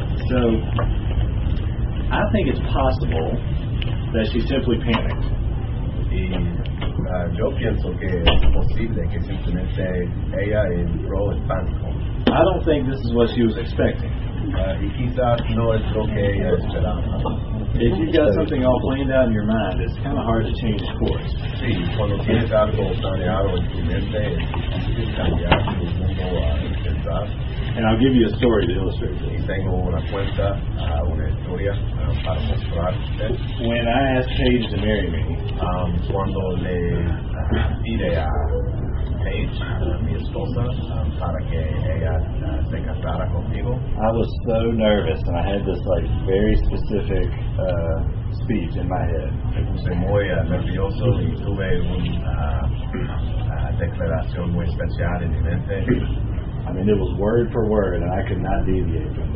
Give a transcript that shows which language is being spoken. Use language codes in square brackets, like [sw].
[en] So, I think it's possible that she simply panicked. [es] Y yo pienso que es posible que simplemente ella entró en pánico. [en] I don't think this is what she was expecting. [es] Y quizás no es lo que ella esperaba. [en] If you've got something all planned out in your mind, it's kind of hard to change course. [es] Sí, cuando tienes algo planeado en tu mente, es difícil cambiar tu mundo pensar. [en] And I'll give you a story to illustrate this. [es] Tengo una cuenta, una historia para mostrar. [en] When I asked Paige to marry me, [es] cuando le pide a Paige, mi esposa, para que ella se casara conmigo, [en] I was so nervous, and I had this like very specific speech in my head. [es] Me puse muy nervioso y tuve una declaración muy especial en mi mente. [en] I mean, it was word for word, and I could not deviate